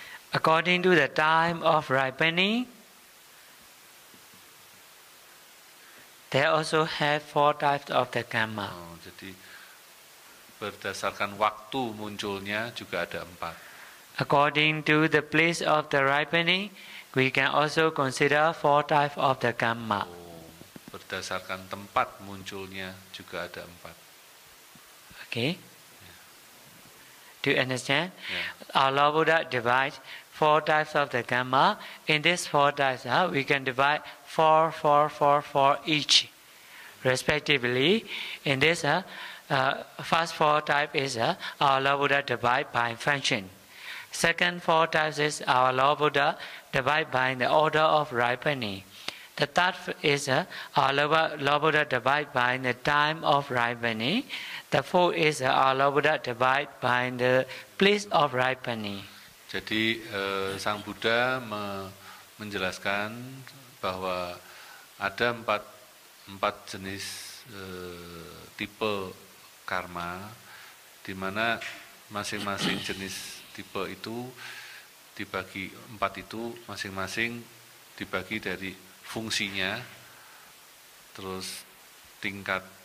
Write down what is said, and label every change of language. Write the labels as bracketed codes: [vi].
[en] According to the time of ripening, they also have four types of the karma. [id] Jadi berdasarkan waktu munculnya juga ada empat. [en] According to the place of the ripening, we can also consider four types of the karma. [id] Berdasarkan tempat munculnya juga ada empat. [en] Okay. Do you understand? Yeah. Our Lord Buddha divide four types of the karma. In this four types, we can divide four each, respectively. In this, first four type is our Lord Buddha divide by function. Second four types is our Lord Buddha divide by the order of ripening. The third is our Lord Buddha divide by the time of ripening. The fourth is our Lord Buddha divide by the place of ripening. [id] Jadi Sang Buddha menjelaskan bahwa ada empat jenis tipe karma, di mana masing-masing jenis tipe itu dibagi empat itu masing-masing dibagi dari fungsinya, terus tingkat